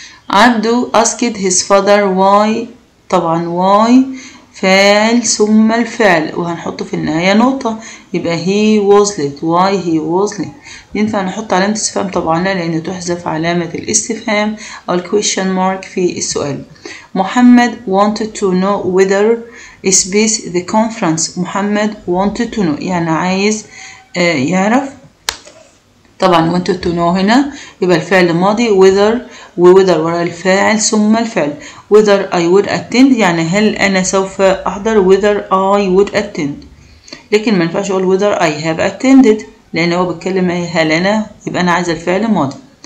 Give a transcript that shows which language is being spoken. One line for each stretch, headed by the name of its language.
Arabic: عبدو
English: asked his father why,
Arabic: طبعا why فعل ثم الفعل وهنحطه في النهاية نقطة, يبقى
English: he was late. Why he was late.
Arabic: ينفع نحط علامة استفهام طبعا لأنه تحذف علامة الاستفهام أو question mark في السؤال.
English: Muhammad wanted to know whether space the conference. Muhammad wanted to know
Arabic: يعني عايز يعرف. طبعا
English: wanted to know
Arabic: هنا يبقى الفعل الماضي, whether وwhether وراء الفاعل ثم الفعل.
English: Whether I would attend
Arabic: يعني هل أنا سوف أحضر.
English: Whether I would attend,
Arabic: لكن ما ينفعش أقول
English: whether I have attended
Arabic: لأنه هو بتكلم هل أنا, يبقى أنا عايز الفعل الماضي.